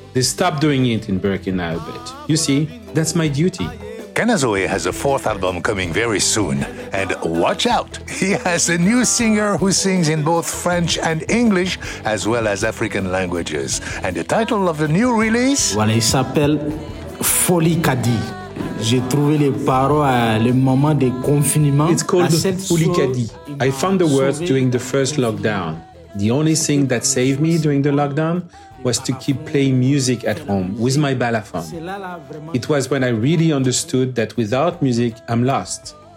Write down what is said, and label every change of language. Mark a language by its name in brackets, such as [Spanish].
[English] They stopped doing it in Burkina a bit. You see, that's my duty. Kanazoe has a fourth album coming very soon. And watch out, he has a new singer who sings in both French and English, as well as African languages. And the title of the new release? [French] Voilà, il s'appelle Folie Kadi. J'ai trouvé les paroles à le moment de confinement. [English] It's called Folie Kadi. I found the words during the first lockdown. The only thing that saved me during the lockdown was to keep playing music at home with my balafon. It was when I really understood that without music, I'm lost.